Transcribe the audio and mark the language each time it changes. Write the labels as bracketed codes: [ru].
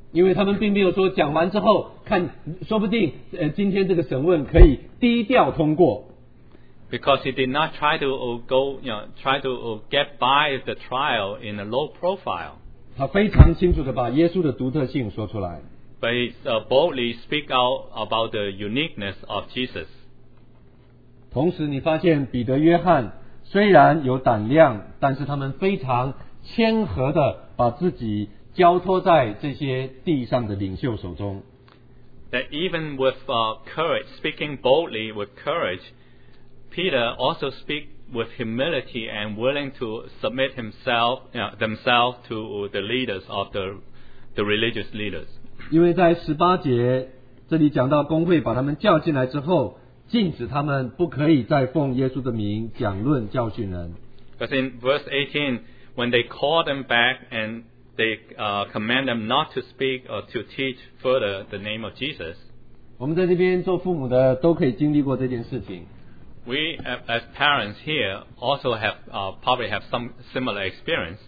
[zh] 因为他们并没有说讲完之后看，说不定今天这个审问可以低调通过。 [en] Because he did not try to go, you know, try to get by the trial in a low profile. [zh] 他非常清楚地把耶稣的独特性说出来。 [en] But he boldly speak out about the uniqueness of Jesus. [zh] 同时你发现彼得约翰虽然有胆量，但是他们非常谦和地把自己交托在这些地上的领袖手中。 [en] That even with courage, speaking boldly with courage, Peter also speak with humility and willing to submit himself, you know, themselves to the leaders of the religious leaders. [zh] 因为在十八节这里讲到公会把他们叫进来之后，禁止他们不可以再奉耶稣的名讲论教训人。 [en] Because in verse 18, when they call them back and they command them not to speak or to teach further the name of Jesus. [zh] 我们在这边做父母的都可以经历过这件事情。 [en] We as parents here also have probably have some similar experience.